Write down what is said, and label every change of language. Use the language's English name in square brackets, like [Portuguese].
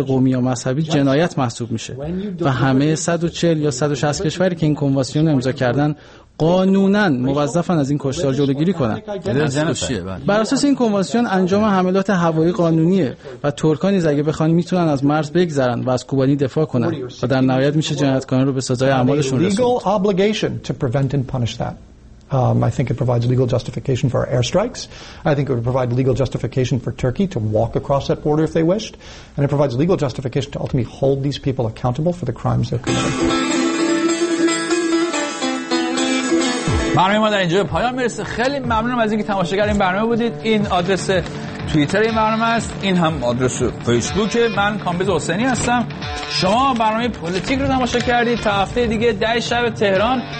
[Persian] قومی یا مذهبی جنایت محسوب میشه و همه 140 یا 160 کشوری که این کنوانسیون امضا کردن قانونن موظفن از این کشتار جلوگیری کنن. بر اساس این کنوانسیون انجام حملات هوایی قانونیه و ترکان نیز اگه بخوان میتونن از مرز بگذرن و از کوبانی دفاع کنن و در نهایت میشه جنایتکاران رو به سزای اعمالشون رسوند. [English] I think it provides legal justification for airstrikes. I think it would provide legal justification for Turkey to walk across that border if they wished. And it provides legal justification to ultimately hold these people accountable for the crimes they've committed. [Persian] برنامه ما در اینجا به پایان میرسه. خیلی ممنونم از اینکه تماشاگر این برنامه بودید. این آدرس توییتر این برنامه است. این هم آدرس فیسبوک. من کامبیز حسینی هستم. شما برنامه پلیتیک رو تماشا کردید. تا هفته دیگه 10 شب تهران.